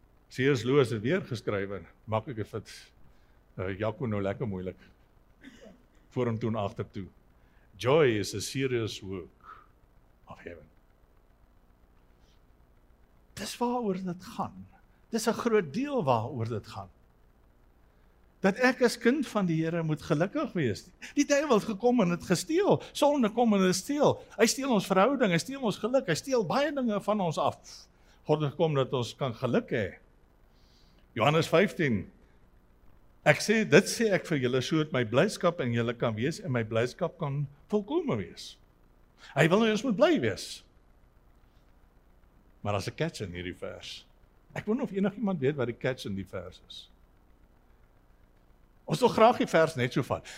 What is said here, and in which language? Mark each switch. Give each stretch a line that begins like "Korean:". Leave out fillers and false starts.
Afrikaans: C.S. Lewis het weer geskryf en maak ek dit Jaco nou lekker moeilik. Voor hom toe en agter toe.
English: Joy is a serious work of heaven.
Afrikaans: Dis waaroor dit gaan. Dis 'n groot deel waaroor dit gaan. Dat ek as kind van die Here moet gelukkig wees. Die duiwel het gekom en het gesteel. Sonde kom en het steel. Hy steel ons verhouding, hy steel ons geluk, hy steel baie dinge van ons af. God het gekom dat ons kan geluk hê. Johannes 15. Ek sê, dit sê ek vir julle so het my blydskap in julle kan wees en my blydskap kan volkome wees. Hy wil nou ons moet bly wees. Maar as 'n catch in hierdie vers. Ek wonder of enig iemand weet wat die catch in die vers is. Ons wil graag die vers net so vat.